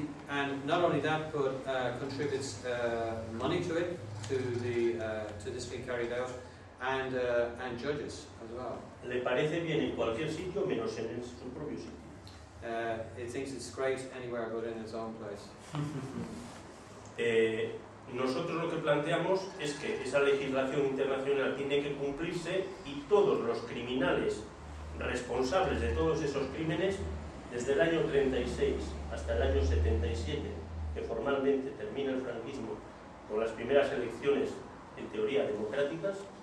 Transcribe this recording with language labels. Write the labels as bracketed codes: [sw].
[en] And not only that, but contributes money to it, to this being carried out, and judges as well. [es] Le parece bien en cualquier sitio menos en su propio sitio. [en] It thinks it's great anywhere but in its own place. [es] Nosotros lo que planteamos es que esa legislación internacional tiene que cumplirse y todos los criminales responsables de todos esos crímenes desde el año 36 hasta el año 77, que formalmente termina el franquismo con las primeras elecciones en teoría democráticas,